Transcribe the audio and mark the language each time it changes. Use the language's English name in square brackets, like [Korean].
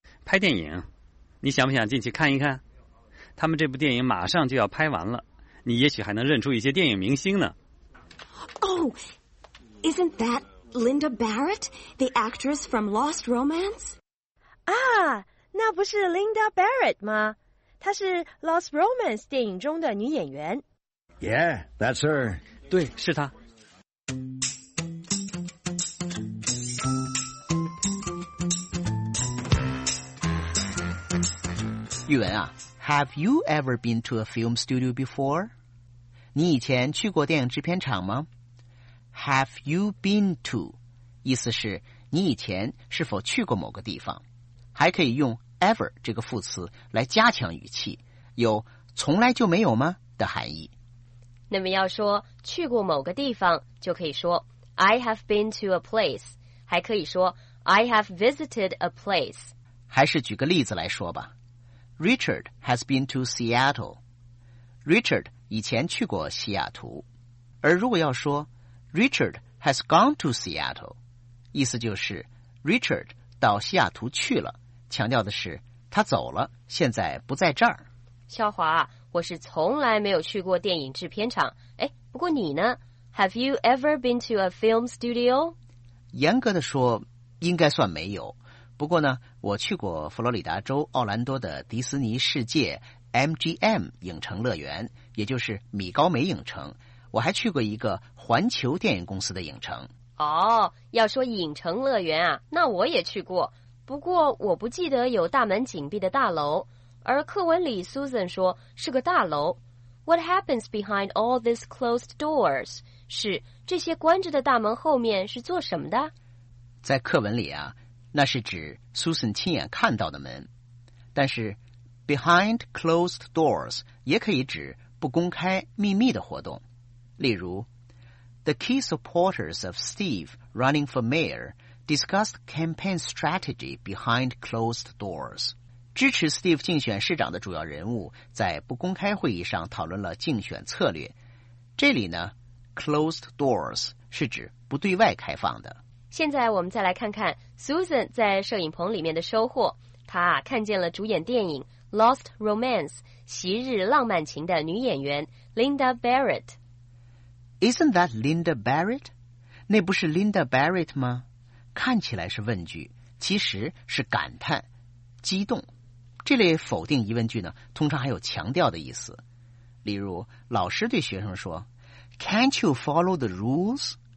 [Chinese] 拍电影，你想不想进去看一看？他们这部电影马上就要拍完了，你也许还能认出一些电影明星呢。 [English] Oh, isn't that Linda Barrett, the actress from Lost Romance? [Chinese] 啊，那不是 Linda Barrett 吗？她是 Lost Romance 电影中的女演员。 [English] Yeah, that's her. [Chinese] 对，是她。 [English] 玉文啊 ，Have you ever been to a film studio before？ [Chinese] 你以前去过电影制片厂吗 ？ [English] Have you been to？ [Chinese] 意思是你以前是否去过某个地方？还可以用 ever 这个副词来加强语气，有从来就没有吗的含义。那么要说去过某个地方，就可以说 [English] I have been to a place， [Chinese] 还可以说 [English] I have visited a place。 [Chinese] 还是举个例子来说吧。 [English] Richard has been to Seattle. [Chinese] Richard 以前去过西雅图。而如果要说 [English] Richard has gone to Seattle， [Chinese] 意思就是 Richard 到西雅图去了，强调的是他走了，现在不在这儿。肖华，我是从来没有去过电影制片厂。哎，不过你呢？ [English] Have you ever been to a film studio？ [Chinese] 严格的说，应该算没有。不过呢，我去过佛罗里达州奥兰多的迪斯尼世界 MGM 影城乐园，也就是米高梅影城。我还去过一个环球电影公司的影城。哦，要说影城乐园啊，那我也去过，不过我不记得有大门紧闭的大楼。而课文里 Susan 说是个大楼。 [English] What happens behind all these closed doors？ [Chinese] 是这些关着的大门后面是做什么的？在课文里啊，那是指 Susan 亲眼看到的门，但是 [English] behind closed doors [Chinese] 也可以指不公开秘密的活动。例如 [English] The key supporters of Steve running for mayor discussed campaign strategy behind closed doors。 [Chinese] 支持 Steve 竞选市长的主要人物在不公开会议上讨论了竞选策略。这里呢 closed doors 是指不对外开放的。现在我们再来看看 Susan 在摄影棚里面的收获。她啊，看见了主演电影 Lost Romance 昔日浪漫情的女演员 Linda Barrett。 [English] Isn't that Linda Barrett？ [Chinese] 那不是 Linda Barrett 吗？看起来是问句，其实是感叹激动。这类否定疑问句呢，通常还有强调的意思。例如老师对学生说 [English] Can't you follow the rules？